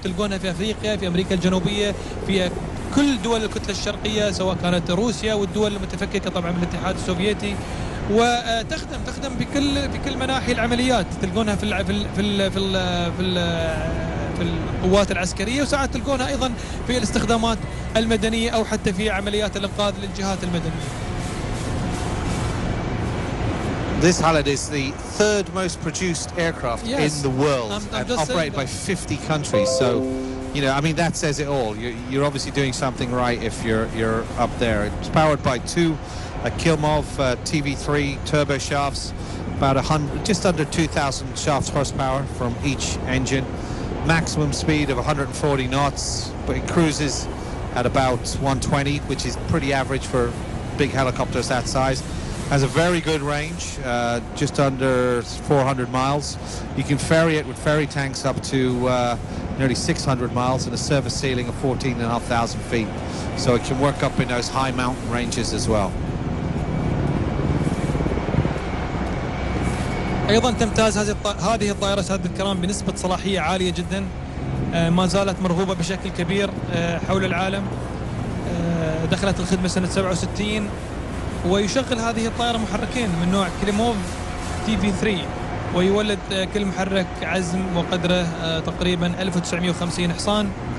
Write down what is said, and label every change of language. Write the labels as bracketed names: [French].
[Arabic] تلقونها في أفريقيا، في أمريكا الجنوبية، في كل دول الكتلة الشرقية، سواء كانت روسيا والدول المتفككة طبعا من الاتحاد السوفيتي. وتخدم بكل مناحي العمليات. تلقونها في في في في في في القوات العسكرية، وساعات تلقونها أيضا في الاستخدامات المدنية أو حتى في عمليات الإنقاذ للجهات المدنية. [English] This Halid is the third most produced aircraft in the world and operated by 50 countries. So, you know, I mean, that says it all. You're obviously doing something right if you're up there. It's powered by two Kilmov TV3 turbo shafts, about 100, just under 2,000 shafts horsepower from each engine. Maximum speed of 140 knots, but it cruises at about 120, which is pretty average for big helicopters that size. Has a very good range, just under 400 miles. You can ferry it with ferry tanks up to nearly 600 miles and a service ceiling of 14,500 feet. So it can work up in those high mountain ranges as well. [Arabic] أيضا تمتاز هذه الطائرة سعادة الكرام بنسبة صلاحية عالية جدا، ما زالت مرغوبة بشكل كبير حول العالم. دخلت الخدمة سنة 67، ويشغل هذه الطائرة محركين من نوع كليموف TV3، ويولد كل محرك عزم وقدره تقريبا 1950 حصان.